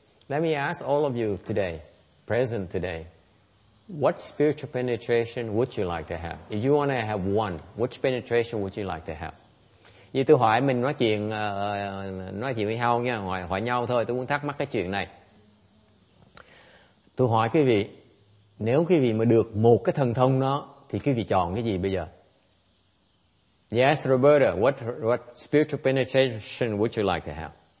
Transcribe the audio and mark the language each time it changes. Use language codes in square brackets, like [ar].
[en] Let me ask all of you today, present today, what spiritual penetration would you like to have? If you want to have one, which penetration would you like to have? [vi] Vì tôi hỏi mình nói chuyện với nhau nha, hỏi nhau thôi, tôi muốn thắc mắc cái chuyện này. Tôi hỏi quý vị, nếu quý vị mà được một cái thần thông đó, thì quý vị chọn cái gì bây giờ? [en] Yes, Roberta, what spiritual penetration would you like to have?